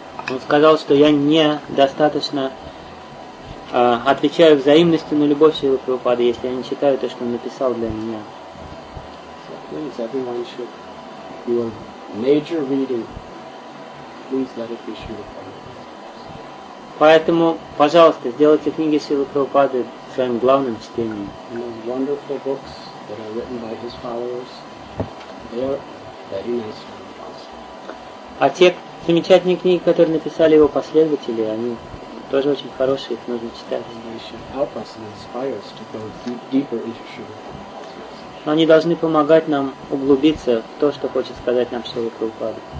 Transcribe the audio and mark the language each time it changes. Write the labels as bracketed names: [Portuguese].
[Russian] Он сказал, что я недостаточно отвечаю взаимностью на любовь Шрилы Прабхупады, если я не читаю то, что он написал для меня. [English] So please, everyone should do a major reading. Please let it be Shrila Prabhupada. [Russian] Поэтому, пожалуйста, сделайте книги Шрилы Прабхупады своим главным чтением. [English] And those wonderful books that are written by his followers, they are very nice for us. [Russian] А те замечательные книги, которые написали его последователи, они тоже очень хорошие, их нужно читать. [English] They should help us and inspire us to go deeper into Shrila Prabhupada. [Russian] Они должны помогать нам углубиться в то, что хочет сказать нам Шрила Прабхупада.